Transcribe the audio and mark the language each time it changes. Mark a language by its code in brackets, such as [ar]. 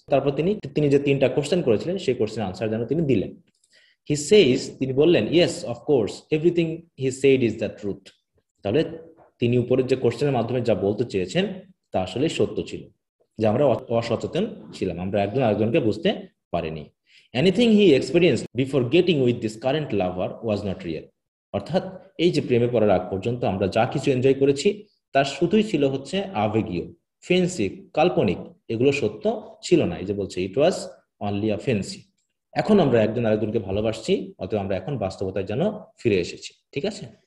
[bn] তারপর তিনি যে তিনটা কোশ্চেন করেছিলেন সেই কোশ্চেন আনসার যেন তিনি দিলেন। [en] he says, [bn] তিনি বললেন, [en] Yes of course everything he said is the truth. [bn] তাহলে তিনি উপরের যে কোশ্চেনের মাধ্যমে যা বলতে চেয়েছেন তা আসলে সত্য ছিল, যে আমরা অসচেতন ছিলাম, আমরা একজন আরেকজনকে বুঝতে পারিনি। [en] Anything he experienced before getting with this current lover was not real. [bn] অর্থাৎ এই যে প্রেমে পড়ার আগ পর্যন্ত আমরা যা কিছু এনজয় করেছি তার শুধুই ছিল হচ্ছে আবেগীয়, ফেন্সি, কাল্পনিক, এগুলো সত্য ছিল না। এই যে বলছে [en] It was only a fancy. [bn] এখন আমরা একজন আরেকজনকে ভালোবাসছি, অথবা আমরা এখন বাস্তবতায় যেন ফিরে এসেছি, ঠিক আছে?